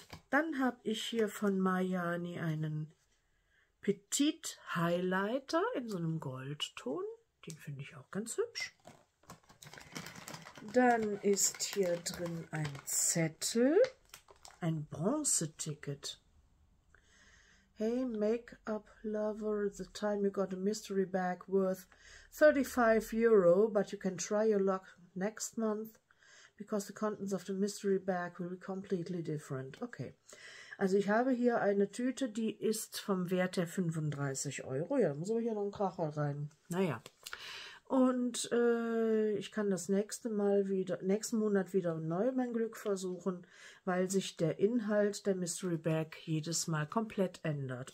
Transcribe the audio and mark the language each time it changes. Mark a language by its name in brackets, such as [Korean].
[German] Dann habe ich hier von Mayani einen Petit Highlighter in so einem Goldton. Den finde ich auch ganz hübsch. Dann ist hier drin ein Zettel, ein Bronzeticket. [English] Hey, Make-up lover, the time you got a mystery bag worth 35 Euro, but you can try your luck next month, because the contents of the mystery bag will be completely different. [German] Okay, also ich habe hier eine Tüte, die ist vom Wert der 35 Euro. Ja, da muss aber hier noch ein Kracher rein. Naja, und ich kann das nächsten Monat wieder neu mein Glück versuchen, weil sich der Inhalt der Mystery Bag jedes Mal komplett ändert.